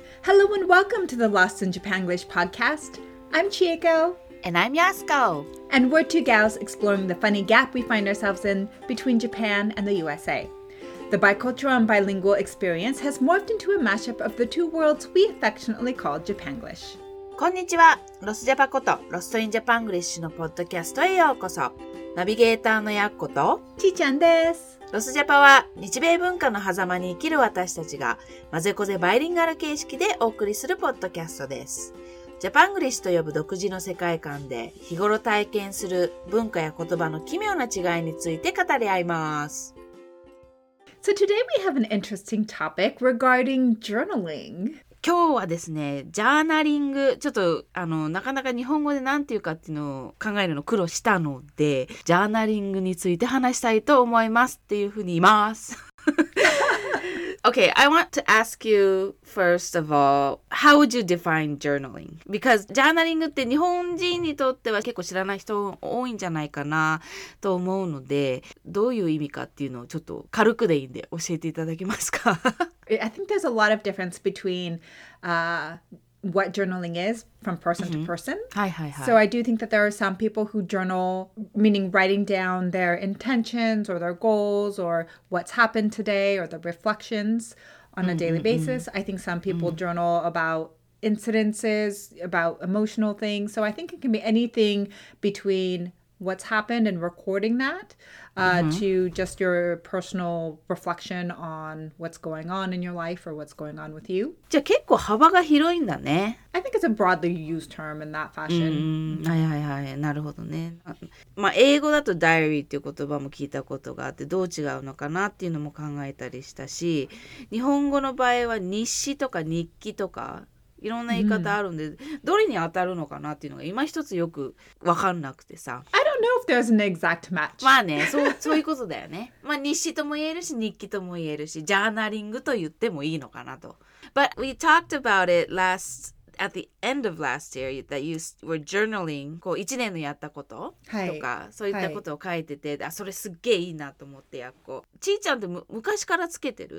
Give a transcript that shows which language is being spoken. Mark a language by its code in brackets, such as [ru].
[en] Hello and welcome to the Lost in Japanglish podcast. I'm Chieko. And I'm Yasuko. And we're two gals exploring the funny gap we find ourselves in between Japan and the USA. The bicultural and bilingual experience has morphed into a mashup of the two worlds we affectionately call Japanglish. [ja] こんにちは。ロスジャパこと、ロストインジャパングリッシュのポッドキャストへようこそ。ナビゲーターのやっこと、ちーちゃんです。ロスジャパは、日米文化の狭間に生きる私たちが、まぜこぜバイリンガル形式でお送りするポッドキャストです。ジャパングリッシュと呼ぶ独自の世界観で、日頃体験する文化や言葉の奇妙な違いについて語り合います。 [en] So today we have an interesting topic regarding journaling. [ja] 今日はですね、ジャーナリング、ちょっとなかなか日本語で何て言うかっていうのを考えるの苦労したので、ジャーナリングについて話したいと思いますっていうふうに言います。 [en] Okay, I want to ask you, first of all, how would you define journaling? [ja] Because journaling って日本人にとっては結構知らない人多いんじゃないかなと思うので、どういう意味かっていうのをちょっと軽くでいいんで教えていただけますか? [en] I think there's a lot of difference between what journaling is from person to person. [ja] はいはいはい。 [en] So I do think that there are some people who journal, meaning writing down their intentions or their goals or what's happened today or the reflections on a daily basis. I think some people journal about incidences, about emotional things. So I think it can be anything between what's happened and recording that to just your personal reflection on what's going on in your life or what's going on with you. [ja] じゃあ結構幅が広いんだね。 [en] I think it's a broadly used term in that fashion. [ja] はいはいはい、なるほどね。まあ英語だとダイアリーっていう言葉も聞いたことがあって、どう違うのかなっていうのも考えたりしたし、日本語の場合は日誌とか日記とかいろんな言い方あるんで、どれに当たるのかなっていうのが今一つよく分かんなくてさ。 [en] I don't know if there's an exact match. [ja] まあね、そういうことだよね。まあ日誌とも言えるし、日記とも言えるし、ジャーナリングと言ってもいいのかなと。 [en] But we talked about it at the end of last year that you were journaling, [ja] こう1年のやったこととか、はい、そういったことを書いてて、はい、あ、それすっげえいいなと思ってやっこ。ちーちゃんって昔からつけてる？